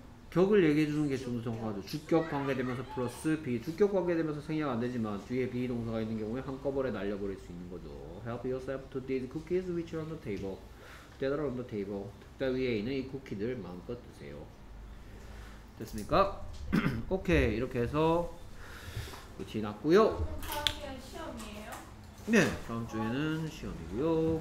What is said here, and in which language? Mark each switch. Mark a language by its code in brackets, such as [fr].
[ko] 격을 얘기해 주는 게 좀 더 정확하죠. 주격 관계되면서 플러스 비. 주격 관계되면서 생략 안 되지만 뒤에 비 동사가 있는 경우에 한꺼번에 날려버릴 수 있는 거죠. [en] Help yourself to these cookies which are on the table. That are on the table. [ko] 탁자 위에 있는 이 쿠키들 마음껏 드세요. 됐습니까? 오케이. 이렇게 해서 지났고요. 그럼 다음 시간 시험이에요? 네. 다음 주에는 시험이고요.